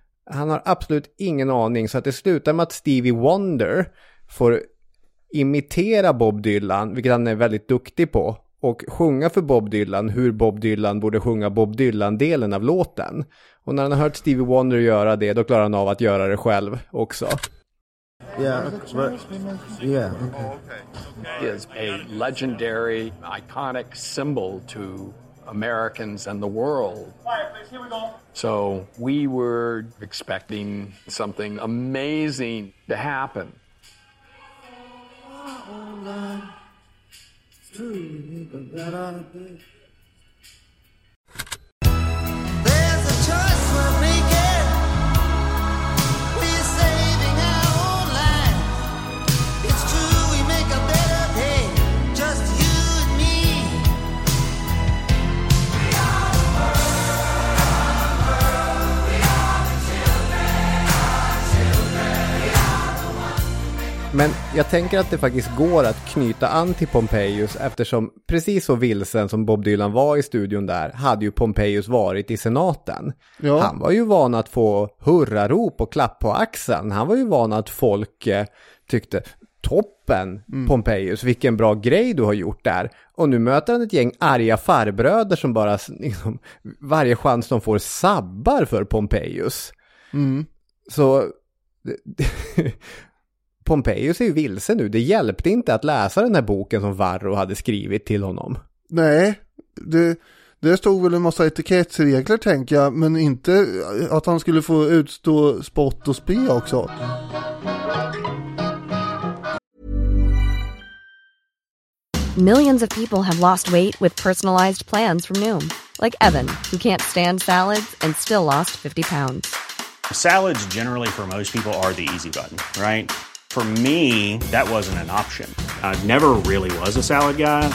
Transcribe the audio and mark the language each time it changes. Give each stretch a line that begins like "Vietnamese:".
Swedish: Han har absolut ingen aning, så att det slutar med att Stevie Wonder får imitera Bob Dylan, vilket han är väldigt duktig på, och sjunga för Bob Dylan hur Bob Dylan borde sjunga Bob Dylan-delen av låten. Och när han har hört Stevie Wonder göra det, då klarar han av att göra det själv också.
English: Yeah, okay. It is a legendary, iconic symbol to Americans and the world. So we were expecting something amazing to happen. There's a choice we're making. We're saving our own life. It's true, we make a better day. Just you and me. We are the world, we are the world. We are the children, children. We are the ones.
Swedish: Jag tänker att det faktiskt går att knyta an till Pompejus, eftersom precis så vilsen som Bob Dylan var i studion där hade ju Pompejus varit i senaten. Ja. Han var ju van att få hurrarop och klapp på axeln. Han var ju van att folk tyckte toppen, Pompejus, vilken bra grej du har gjort där. Och nu möter han ett gäng arga farbröder som bara liksom, varje chans de får sabbar för Pompejus. Så Pompejus är ju vilse nu. Det hjälpte inte att läsa den här boken som Varro hade skrivit till honom. Nej, det stod väl en massa etikettsregler, tänker jag. Men inte att han skulle få utstå spott och spe också.
English: Millions of people have lost weight with personalized plans from Noom. Like Evan, who can't stand salads and still lost 50 pounds. Salads generally for most people are the easy button, right? For me, that wasn't an option. I never really was a salad guy.